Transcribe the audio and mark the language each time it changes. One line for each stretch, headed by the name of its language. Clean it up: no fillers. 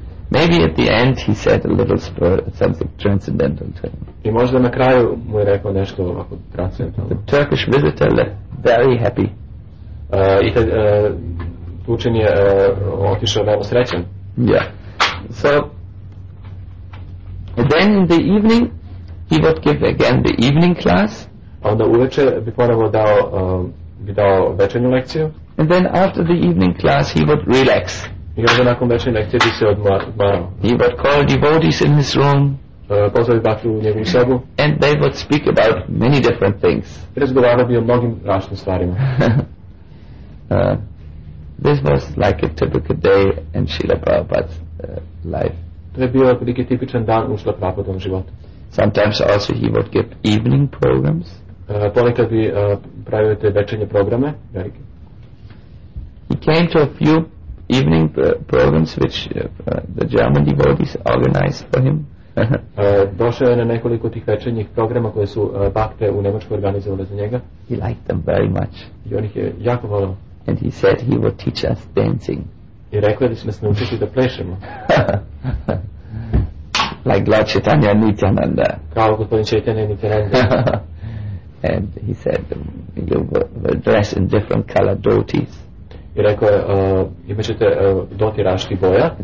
English: Maybe at the end he said a little something transcendental to him.
Serbian: I možda na kraju mu je rekao nešto ovako transcendentalno.
English: The Turkish visitor left very happy.
Serbian: I taj učen je otišao veoma srećan.
English: Yeah. So, then in the evening he would give again the evening class.
Serbian: A onda uveče bi ponovo dao, bi dao večernju lekciju.
English: And then after the evening class he would relax.
Serbian: I onda nakon večernje lekcije bi se odmarao.
English: He would call devotees in his room.
Serbian: Pozvao bi baktu u njegovu sobu.
English: And they would speak about many different things.
Serbian: Razgovarao bi o mnogim različitim stvarima.
English: This was like a typical day in Srila Prabhupada's life.
Serbian: To je bio otprilike tipičan dan u Srila Prabhupadovom životu.
English: Sometimes also he would give evening programs.
Serbian: Ponekad bi pravio te večernje programe. Velike.
English: He came to a few evening programs which the German devotees organized for him.
Serbian: Došao je na nekoliko tih večernjih programa koje su bakte u Nemačkoj organizovali za njega.
English: He liked them very much.
Serbian: I on ih je jako volio.
English: And he said he would teach us dancing.
Serbian: I rekao da će nas naučiti da plešemo.
English: Like Lord Chaitanya Nityananda.
Serbian: Kao gospodin Chaitanya Nityananda.
English: And he said you will dress in different color dhotis.
Serbian: I rekao je, imat ćete doti različitih boja.